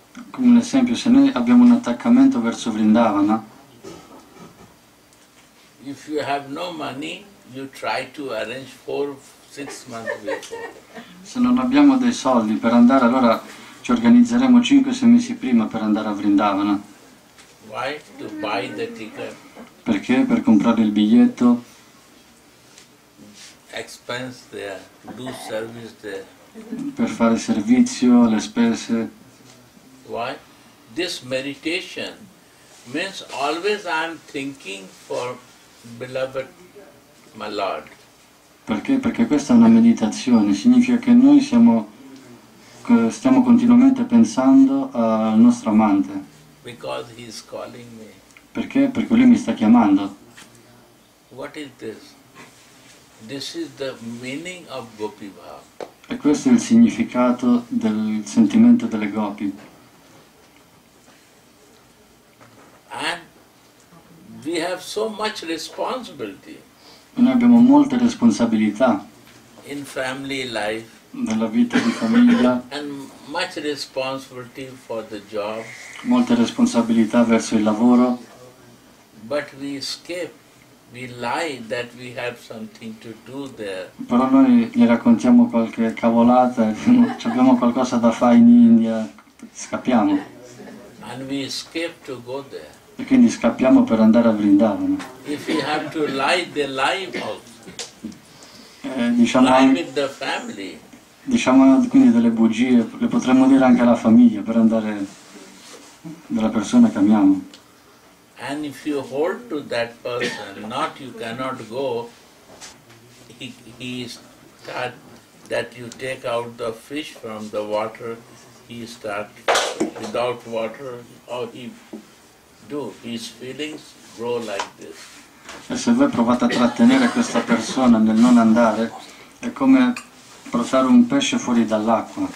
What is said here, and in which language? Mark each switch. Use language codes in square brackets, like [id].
[it] Come un esempio, se noi abbiamo un attaccamento verso Vrindavana. [en] If you have no money, you try to arrange 4-6 months before. [it] Se non abbiamo dei soldi per andare, allora ci organizzeremo 5-6 mesi prima per andare a Vrindavana. [en] Why? To buy the ticket. [it] Perché? Per comprare il biglietto. [en] Expense there, do service there. [it] Per fare servizio, le spese. [en] Why? This meditation means always I'm thinking for beloved my Lord. [it] Perché? Perché questa è una meditazione, significa che noi stiamo continuamente pensando al nostro amante. [en] Because he is calling me. [it] Perché? Perché lui mi sta chiamando. [en] What is this? This is the meaning of Gopi Bhava. [it] E questo è il significato del sentimento delle Gopi. [en] And we have so much responsibility. [it] Noi abbiamo molte responsabilità [en] in family life, [it] nella vita di famiglia, [en] and much responsibility for the job, [it] molte responsabilità verso il lavoro, [en] but we escape, we lie that we have something to do there. [it] Però noi gli raccontiamo qualche cavolata, abbiamo qualcosa da fare in India, scappiamo, [en] and we escape to go there. [it] E quindi scappiamo per andare a Vrindavana. [en] If we have to lie, they lie out. [it] Diciamo, [en] lie with the family. [it] Diciamo quindi delle bugie, le potremmo dire anche alla famiglia per andare dalla persona che amiamo. [en] And if you hold to that person, not you cannot go, he start that you take out the fish from the water, he start without water, or he do his feelings grow like this. [it] E se voi provate a trattenere questa persona nel non andare, è come portare un pesce fuori dall'acqua.